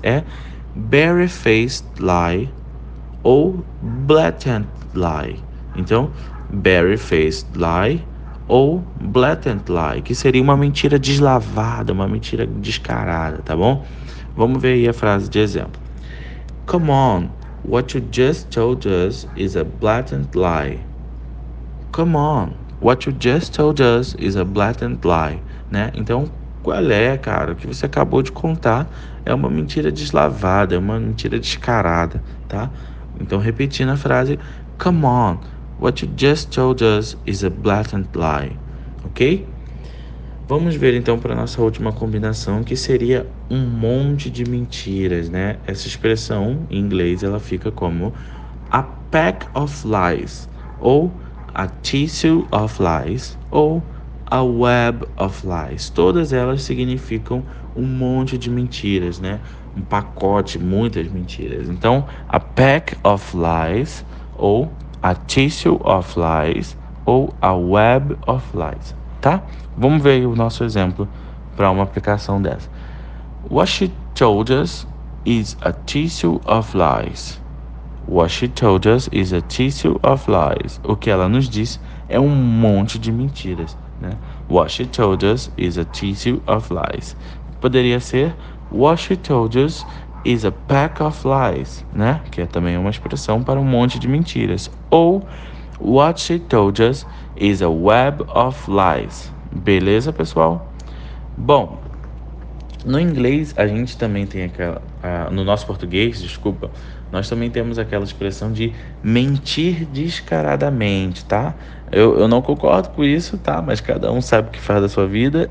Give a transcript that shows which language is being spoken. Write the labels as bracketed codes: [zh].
[en] É barefaced lie ou blatant lie. [pt] Então, [en] barefaced lie ou blatant lie, [pt] que seria uma mentira deslavada, uma mentira descarada, tá bom? Vamos ver aí a frase de exemplo. [en] Come on, what you just told us is a blatant lie. Come on, what you just told us is a blatant lie. [pt] Né? Então, qual é, cara? O que você acabou de contar é uma mentira deslavada, é uma mentira descarada, tá? Então, repetindo a frase, [en] come on, what you just told us is a blatant lie, ok? [pt] Vamos ver então para nossa última combinação, que seria um monte de mentiras, né? Essa expressão em inglês ela fica como [en] a pack of lies ou a tissue of lies [pt] ou a web of lies. Todas elas significam um monte de mentiras, né? Um pacote, muitas mentiras. Então, [en] a pack of lies, ou a tissue of lies, [pt] ou a web of lies, tá? Vamos ver o nosso exemplo para uma aplicação dessa. [en] What she told us is a tissue of lies. What she told us is a tissue of lies. [pt] O que ela nos diz é um monte de mentiras, né? [en] What she told us is a tissue of lies. [pt] Poderia ser [en] What she told us is a pack of lies, [pt] né? Que é também uma expressão para um monte de mentiras. Ou [en] What she told us is a web of lies. [pt] Beleza, pessoal? Bom, no inglês a gente também tem aquela. No nosso português, desculpa. Nós também temos aquela expressão de mentir descaradamente, tá? Eu não concordo com isso, tá? Mas cada um sabe o que faz da sua vida.